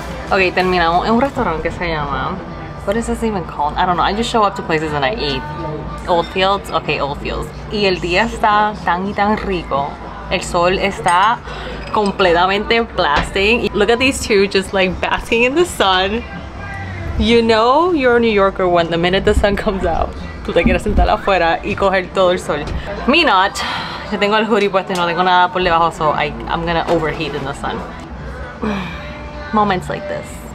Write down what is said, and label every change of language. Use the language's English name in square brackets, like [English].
[Spanish] Okay, terminamos en un restaurante que se llama. [English] What is this even called? I don't know. I just show up to places and I eat. Old Fields? Okay, Old Fields. [Spanish] Y el día está tan y tan rico. El sol está completamente [English] blasting. Look at these two just like basking in the sun. You know you're a New Yorker when the minute the sun comes out, [Spanish] tú te quieres sentar afuera y coger todo el sol. [English] Me not. [Spanish] Yo tengo el hoodie puesto y no tengo nada por debajo, [English] so I'm gonna overheat in the sun. Moments like this.